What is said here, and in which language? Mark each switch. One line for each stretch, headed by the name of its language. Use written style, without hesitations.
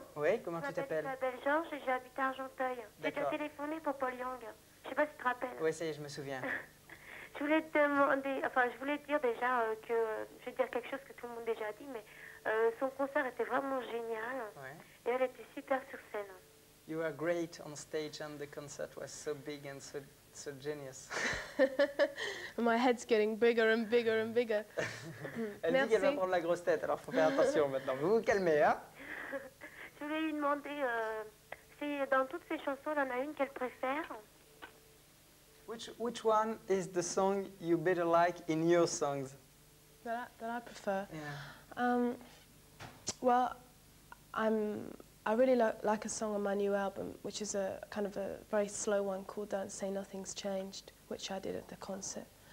French: Oui, comment tu t'appelles? Je m'appelle Georges et j'habite à Argenteuil. D'accord. J'ai téléphoné pour Paul Young. Je ne sais pas si tu te rappelles. Oui, ça y est, je me souviens. Je voulais te demander, enfin, je voulais te dire déjà que je vais dire quelque chose que tout le monde déjà a dit, mais son concert était vraiment génial. Ouais. Et elle était super sur scène.
English: You were great on stage and the concert was so big and so genius. My head's getting bigger and bigger and bigger.
French: Elle dit qu'elle va prendre la grosse tête, alors faut faire attention maintenant. Vous vous calmez, hein? Je voulais lui demander si dans toutes ses chansons, il y en a une qu'elle préfère.
English: Which one is the song you better like in your songs? That I prefer? Yeah. I really like a song on my new album, which is a kind of a very slow one called Don't Say Nothing's Changed, which I did at the concert.